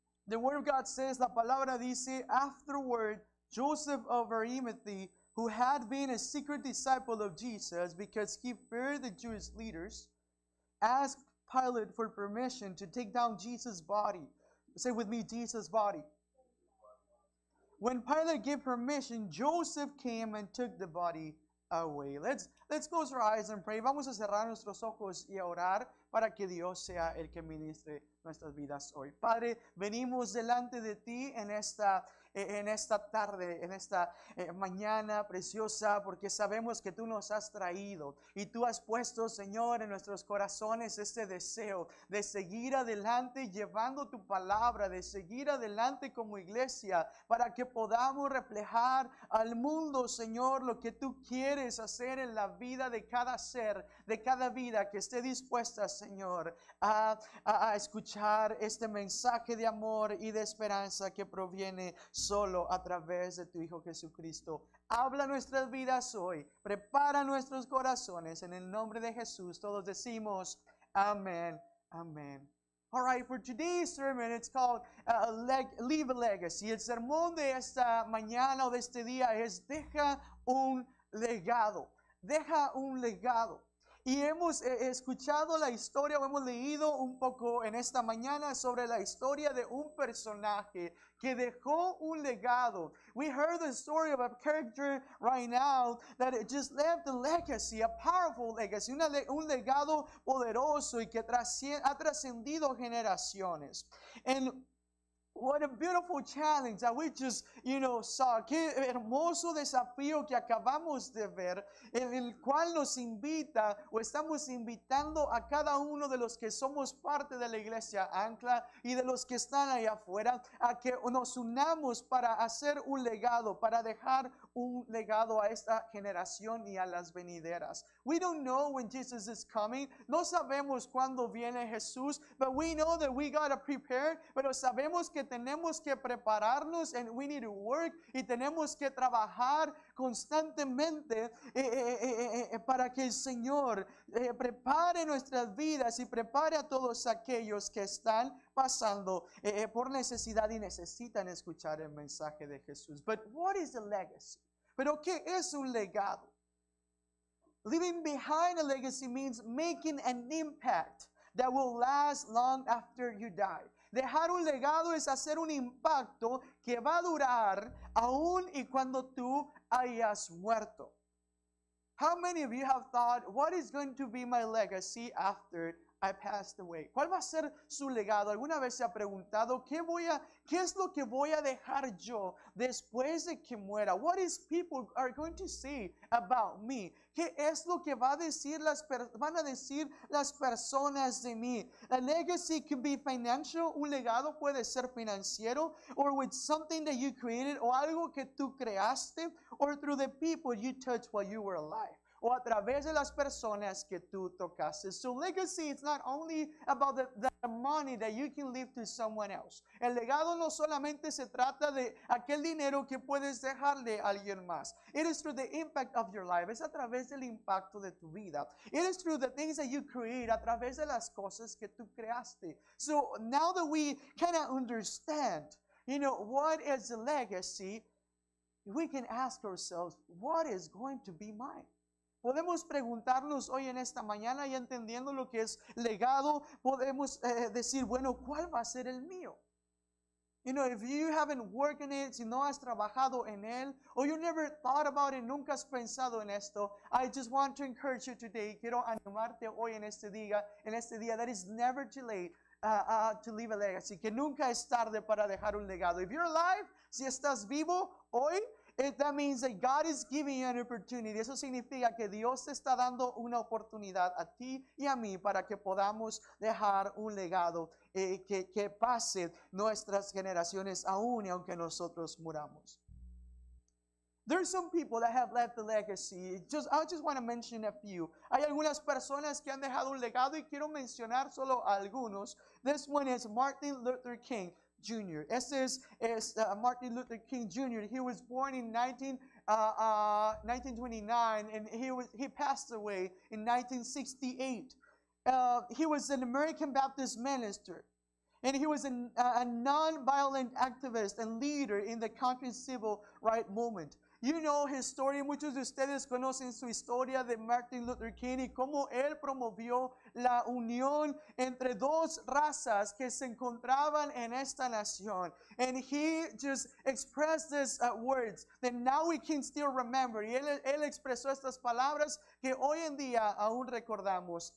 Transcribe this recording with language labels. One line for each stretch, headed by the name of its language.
English: 19:38. The word of God says,
Spanish: la palabra dice,
English: afterward, Joseph of Arimathea, who had been a secret disciple of Jesus because he feared the Jewish leaders, asked Pilate for permission to take down Jesus' body. Say with me, Jesus' body. When Pilate gave permission, Joseph came and took the body away. Let's close our eyes and pray.
Spanish: Vamos a cerrar nuestros ojos y a orar para que Dios sea el que ministre nuestras vidas hoy. Padre, venimos delante de ti en esta tarde, en esta mañana preciosa, porque sabemos que tú nos has traído y tú has puesto, Señor, en nuestros corazones este deseo de seguir adelante llevando tu palabra, de seguir adelante como iglesia para que podamos reflejar al mundo, Señor, lo que tú quieres hacer en la vida de cada ser, de cada vida que esté dispuesta, Señor, a escuchar este mensaje de amor y de esperanza que proviene solo a través de tu Hijo Jesucristo. Habla nuestras vidas hoy, prepara nuestros corazones en el nombre de Jesús. Todos decimos amén, amén.
English: All right, for today's sermon, it's called Leave a Legacy.
Spanish: El sermón de esta mañana o de este día es Deja un Legado. Deja un Legado. Y hemos escuchado la historia o hemos leído un poco en esta mañana sobre la historia de un personaje que dejó un legado.
English: We heard the story of a character right now that it just left a legacy, a powerful legacy,
Spanish: un legado poderoso y que ha trascendido generaciones.
English: And what a beautiful challenge that we just, you know, saw.
Spanish: Qué hermoso desafío que acabamos de ver, en el cual nos invita o estamos invitando a cada uno de los que somos parte de la iglesia Ancla y de los que están allá afuera a que nos unamos para hacer un legado, para dejar un legado a esta generación y a las venideras.
English: We don't know when Jesus is coming.
Spanish: No sabemos cuándo viene Jesús,
English: but we know that we gotta prepare.
Spanish: Pero sabemos que tenemos que prepararnos,
English: and we need to work,
Spanish: y tenemos que trabajar constantemente para que el Señor prepare nuestras vidas y prepare a todos aquellos que están pasando por necesidad y necesitan escuchar el mensaje de Jesús.
English: But what is a legacy?
Spanish: ¿Pero qué es un legado?
English: Leaving behind a legacy means making an impact that will last long after you die.
Spanish: Dejar un legado es hacer un impacto que va a durar aún y cuando tú hayas muerto.
English: How many of you have thought, what is going to be my legacy after I passed away?
Spanish: ¿Cuál va a ser su legado? ¿Alguna vez se ha preguntado qué es lo que voy a dejar yo después de que muera?
English: What is people are going to say about me?
Spanish: ¿Qué es lo que van a decir las personas de mí?
English: A legacy can be financial.
Spanish: Un legado puede ser financiero,
English: or with something that you created,
Spanish: o algo que tú creaste,
English: or through the people you touched while you were alive,
Spanish: o a través de las personas que tú tocaste.
English: So legacy is not only about the money that you can leave to someone else.
Spanish: El legado no solamente se trata de aquel dinero que puedes dejarle a alguien más.
English: It is through the impact of your life.
Spanish: Es a través del impacto de tu vida.
English: It is through the things that you create,
Spanish: a través de las cosas que tú creaste.
English: So now that we kind of understand, you know, what is a legacy, we can ask ourselves, what is going to be mine?
Spanish: Podemos preguntarnos hoy en esta mañana, y entendiendo lo que es legado, podemos decir, bueno, ¿cuál va a ser el mío?
English: You know, if you haven't worked in it,
Spanish: si no has trabajado en él,
English: or you never thought about it,
Spanish: nunca has pensado en esto,
English: I just want to encourage you today.
Spanish: Quiero animarte hoy en este día,
English: that is never too late to leave a legacy.
Spanish: Que nunca es tarde para dejar un legado.
English: If you're alive,
Spanish: si estás vivo hoy,
English: that means that God is giving you an opportunity.
Spanish: Eso significa que Dios te está dando una oportunidad a ti y a mí para que podamos dejar un legado que pase nuestras generaciones aún y aunque nosotros muramos.
English: There are some people that have left a legacy. I just want to mention a few. Hay algunas personas que han dejado un legado y quiero mencionar solo algunos. This one is Martin Luther King Jr. This is Martin Luther King Jr. He was born in 1929, and he passed away in 1968. He was an American Baptist minister, and he was a non-violent activist and leader in the country's civil rights movement. You know his story.
Spanish: Muchos de ustedes conocen su historia de Martin Luther King y cómo él promovió la unión entre dos razas que se encontraban en esta nación.
English: And he just expressed these words that now we can still remember.
Spanish: Y él expresó estas palabras que hoy en día aún recordamos.